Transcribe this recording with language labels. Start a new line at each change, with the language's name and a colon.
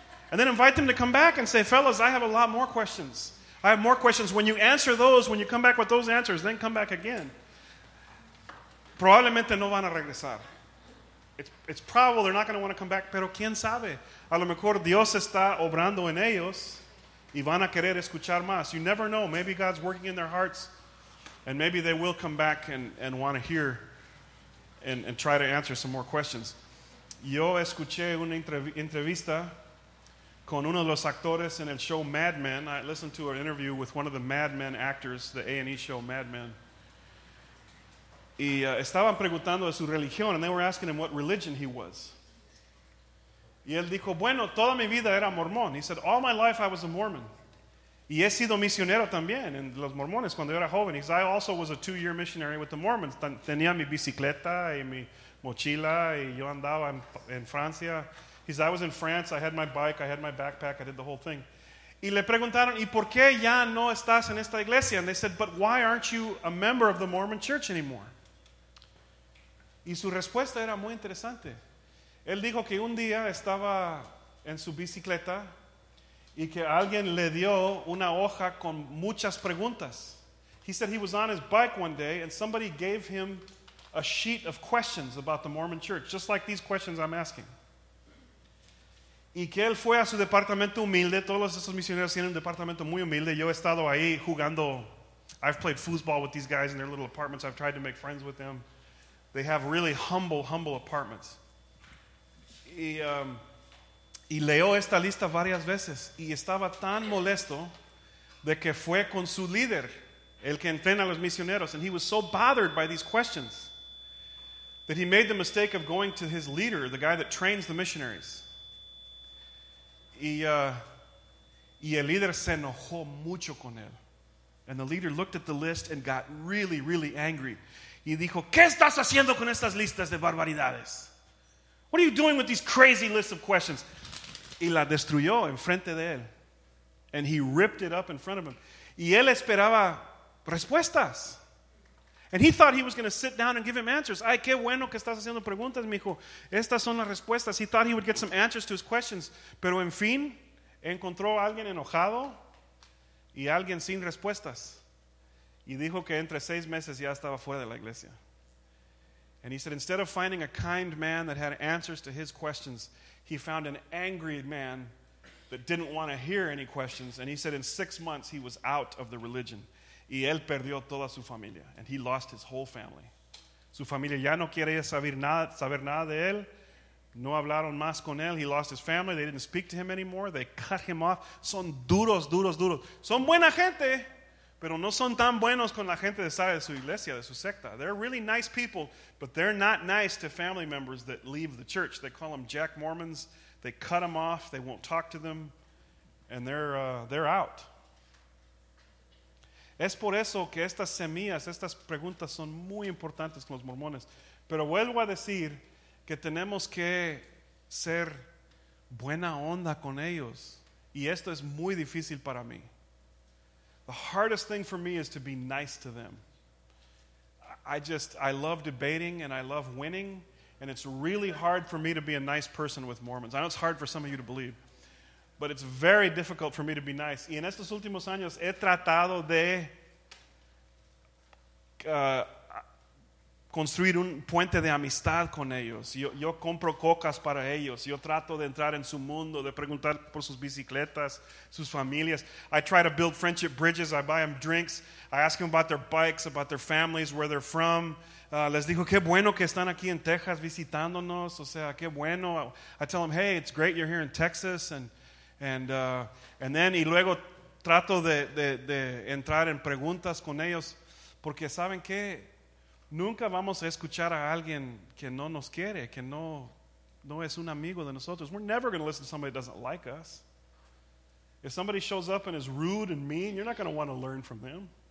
English: And then invite them to come back and say, fellas, I have a lot more questions. I have more questions. When you answer those, when you come back with those answers, then come back again.
Spanish: Probablemente no van a regresar.
English: It's probable they're not going to want to come back,
Spanish: pero quién sabe. A lo mejor Dios está obrando en ellos y van a querer escuchar más.
English: You never know. Maybe God's working in their hearts and maybe they will come back and want to hear and try to answer some more questions.
Spanish: Yo escuché una entrevista con uno de los actores en el show Mad Men.
English: I listened to an interview with one of the Mad Men actors, the A&E show Mad Men.
Spanish: Y estaban preguntando de su religión,
English: and they were asking him what religion he was.
Spanish: Y él dijo, bueno, toda mi vida era mormón.
English: He said, all my life I was a Mormon.
Spanish: Y he sido misionero también en los mormones cuando yo era joven.
English: He said, I also was a 2-year missionary with the Mormons.
Spanish: Tenía mi bicicleta y mi mochila y yo andaba en Francia.
English: He said, I was in France, I had my bike, I had my backpack, I did the whole thing.
Spanish: Y le preguntaron, ¿y por qué ya no estás en esta iglesia?
English: And they said, but why aren't you a member of the Mormon Church anymore?
Spanish: Y su respuesta era muy interesante. Él dijo que un día estaba en su bicicleta y que alguien le dio una hoja con muchas preguntas.
English: He said he was on his bike one day and somebody gave him a sheet of questions about the Mormon Church, just like these questions I'm asking.
Spanish: Y que él fue a su departamento humilde. Todos esos misioneros tienen un departamento muy humilde. Yo he estado ahí jugando.
English: I've played foosball with these guys in their little apartments. I've tried to make friends with them. They have really humble, humble apartments.
Spanish: Y leyó esta lista varias veces. Y estaba tan molesto de que fue con su líder, el que entrena a los misioneros.
English: And he was so bothered by these questions that he made the mistake of going to his leader, the guy that trains the missionaries.
Spanish: Y el líder se enojó mucho con él.
English: And the leader looked at the list and got really, really angry.
Spanish: Y dijo, ¿qué estás haciendo con estas listas de barbaridades?
English: What are you doing with these crazy lists of questions?
Spanish: Y la destruyó en frente de él.
English: And he ripped it up in front of him.
Spanish: Y él esperaba respuestas.
English: And he thought he was going to sit down and give him answers.
Spanish: Ay, qué bueno que estás haciendo preguntas, mijo. Estas son las respuestas.
English: He thought he would get some answers to his questions.
Spanish: Pero en fin, encontró a alguien enojado y alguien sin respuestas. Y dijo que entre 6 meses ya estaba fuera de la iglesia.
English: And he said, instead of finding a kind man that had answers to his questions, he found an angry man that didn't want to hear any questions. And he said, in 6 months, he was out of the religion.
Spanish: Y él perdió toda su familia.
English: And he lost his whole family.
Spanish: Su familia ya no quería saber nada de él. No hablaron más con él.
English: He lost his family. They didn't speak to him anymore. They cut him off.
Spanish: Son duros, duros, duros. Son buena gente, pero no son tan buenos con la gente de su iglesia, de su secta.
English: They're really nice people, but they're not nice to family members that leave the church. They call them Jack Mormons. They cut them off. They won't talk to them. And they're out.
Spanish: Es por eso que estas semillas, estas preguntas son muy importantes con los mormones. Pero vuelvo a decir que tenemos que ser buena onda con ellos. Y esto es muy difícil para mí.
English: The hardest thing for me is to be nice to them. I love debating and I love winning. And it's really hard for me to be a nice person with Mormons. I know it's hard for some of you to believe. But it's very difficult for me to be nice.
Spanish: Y en estos últimos años he tratado de construir un puente de amistad con ellos. Yo compro cocas para ellos. Yo trato de entrar en su mundo, de preguntar por sus bicicletas, sus familias.
English: I try to build friendship bridges. I buy them drinks. I ask them about their bikes, about their families, where they're from.
Spanish: Les digo, qué bueno que están aquí en Texas visitándonos. O sea, qué bueno.
English: I tell them, hey, it's great you're here in Texas.
Spanish: Y luego trato de entrar en preguntas con ellos porque saben que nunca vamos a escuchar a alguien que no nos quiere, que no es un amigo de nosotros.
English: We're never going to listen to somebody that doesn't like us. If somebody shows up and is rude and mean, you're not going to want to learn from them.